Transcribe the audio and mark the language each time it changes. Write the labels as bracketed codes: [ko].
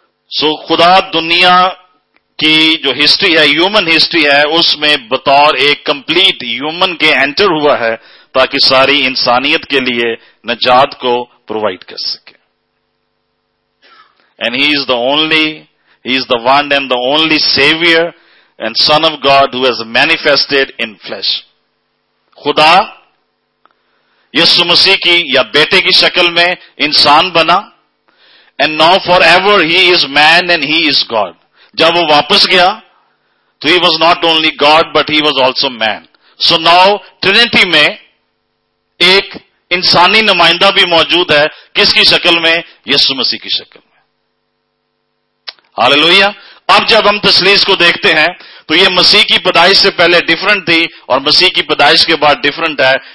[hi] सो खुदा दुनिया की जो हिस्ट्री है, ह्यूमन हिस्ट्री है, उसमें बतौर एक कंप्लीट ह्यूमन के एंटर हुआ है ताकि सारी इंसानियत के लिए निजात को प्रोवाइड कर सके। [en] And he is the only, He is the one and the only Savior and Son of God who has manifested in flesh. [hi] खुदा यीशु मसीह की या बेटे की शक्ल में इंसान बना, and now forever He is man and He is God. [en] जब वो वापस गया तो He was not only God but He was also man. [hi] So now Trinity में एक इंसानी नुमाइंदा भी मौजूद है, किसकी शक्ल में, यीशु मसीह की शक्ल। हालेलुया। अब जब हम तस्लीस को देखते हैं तो ये मसीह की पैदाइश से पहले डिफरेंट थी और मसीह की पैदाइश के बाद डिफरेंट है।